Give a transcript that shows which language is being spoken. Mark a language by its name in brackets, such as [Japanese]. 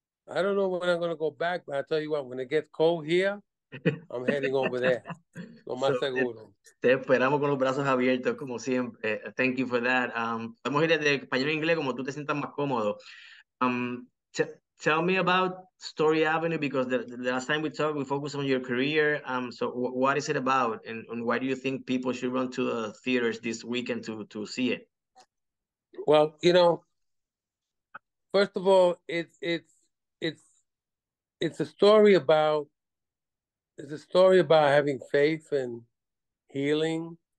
[English] I don't know when I'm gonna go back, but I tell you what, when it gets cold here, I'm heading over there. [Spanish] Lo más [English] So, [Spanish] seguro. te esperamos con los brazos abiertos, como siempre. [English] Thank you for that. [Spanish] Vamos a ir desde español a inglés, como tú te sientas más cómodo. [English] Tell me about Story Avenue, because the last time we talked, we focused on your career. So what is it about, and why do you think people should run to the theaters this weekend to see it? Well, you know, first of all, it's a story about having faith and healing.